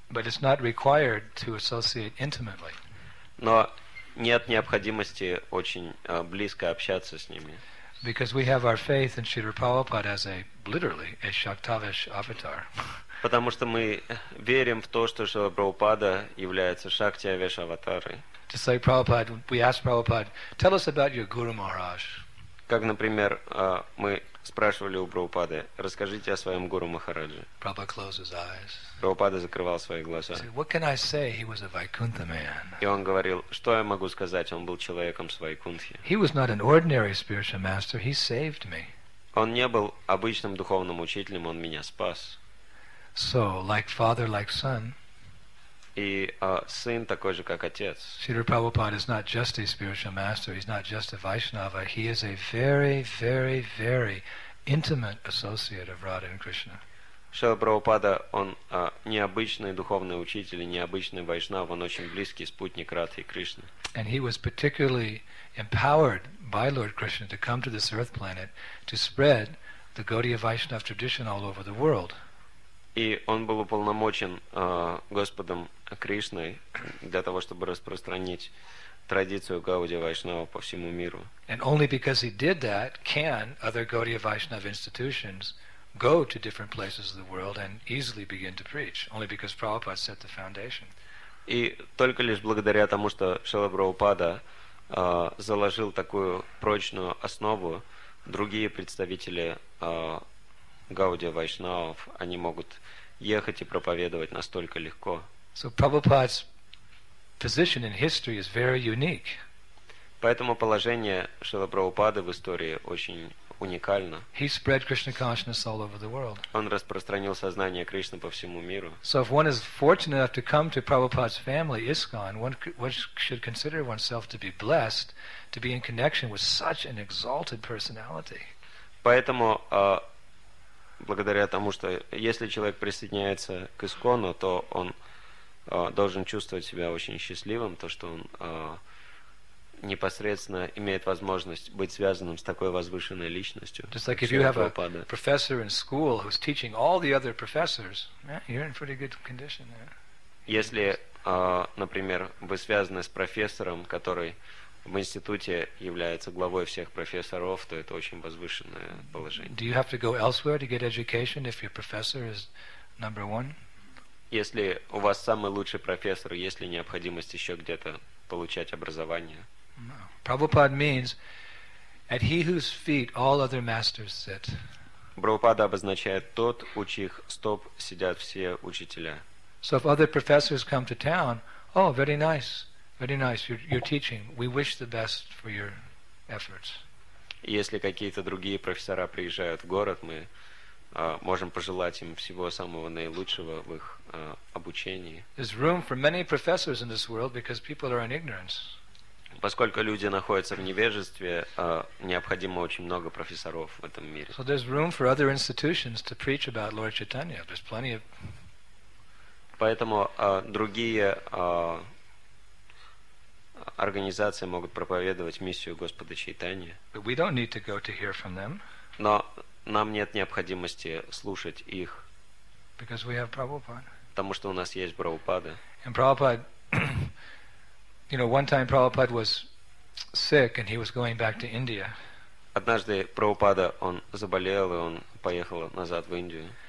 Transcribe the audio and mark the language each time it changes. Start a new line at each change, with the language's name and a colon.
English: But it's not required to associate intimately.
Russian: Но нет необходимости очень близко общаться с ними.
English: Because we have our faith in Śrīla Prabhupāda as a literally a Shaktavish avatar.
Russian: Потому что мы верим в то, что Śrīla Prabhupāda является Shaktavish аватарой.
English: To say Prabhupada, we ask Prabhupada, tell us about your Guru Maharaj.
Russian: Как, например, мы спрашивали у Прабхупады, расскажите о своем Гуру Махарадже.
English: Prabhupada closed his eyes.
Russian: Прабхупада закрывал свои глаза.
English: He said, what can I say? He was a Vaikuntha man.
Russian: И он говорил, что я могу сказать? Он был человеком с Вайкунтхи.
English: He was not an ordinary spiritual master. He saved me.
Russian: Он не был обычным духовным учителем, он меня спас.
English: So, like father, like son.
Russian: И сын такой же, как отец.
English: Śrīla Prabhupāda is not just a spiritual master, he's not just a Vaishnava, he is a very, very, very intimate associate of Radha and Krishna.
Russian: Śrīla Prabhupāda, он необычный духовный учитель, необычный Вайшнава, он очень близкий спутник Радхи Кришны.
English: And he was particularly empowered by Lord Krishna to come to this earth planet to spread the Gaudiya Vaishnava tradition all over the world.
Russian: И он был уполномочен Господом Кришной для того, чтобы распространить традицию Гауди Вайшнава по всему миру.
English: And only because he did that can other Gaudiya Vaishnava institutions go to different places of the world and easily begin to preach. Only because Prabhupada set the foundation.
Russian: И только лишь благодаря тому, что Шрила Прабхупада заложил такую прочную основу, другие представители Гаудия Вайшнавов, они могут ехать и проповедовать настолько легко.
English: So Prabhupada's position in history is very unique.
Russian: Поэтому положение Шрилы Прабхупады в истории очень уникально.
English: He spread Krishna consciousness all over the world.
Russian: Он распространил сознание Кришны по всему миру.
English: So if one is fortunate enough to come to Prabhupada's family, ISKCON, one should consider oneself to be blessed to be in connection with such an exalted personality.
Russian: Поэтому благодаря тому, что если человек присоединяется к ИСКОНу, то он должен чувствовать себя очень счастливым, то, что он непосредственно имеет возможность быть связанным с такой возвышенной личностью.
English: Just like if you have a professor in school who's teaching all the other professors, yeah, you're in pretty good condition there.
Russian: Если, например, вы связаны с профессором, который в институте является главой всех профессоров, то это очень возвышенное положение.
English: Do you have to go elsewhere to get education if your professor is number one?
Russian: Если у вас самый лучший профессор, есть ли необходимость еще где-то получать образование?
English: No. Prabhupada means at he whose feet all other masters sit.
Russian: Прабхупада обозначает тот, у чьих стоп сидят все учителя.
English: So if other professors come to town, oh, very nice. Very nice. You're teaching. We wish the best for your efforts.
Russian: Если какие-то другие профессора приезжают в город, мы можем пожелать им всего самого наилучшего в их обучении.
English: There's room for many professors in this world because people are in ignorance.
Russian: Поскольку люди находятся в невежестве, необходимо очень много профессоров в этом мире.
English: So there's room for other institutions to preach about Lord Chaitanya. There's plenty of.
Russian: Поэтому другие организации могут проповедовать миссию Господа Чайтани.
English: But we don't need to go to hear from them.
Russian: Но нам нет необходимости слушать их.
English: Because we have Prabhupada.
Russian: потому что у нас есть Прабхупада.
English: And Prabhupada, you know, one time Prabhupada was sick and he was going back to India.
Russian: Однажды Прабхупада, он заболел, и он поехал назад в Индию.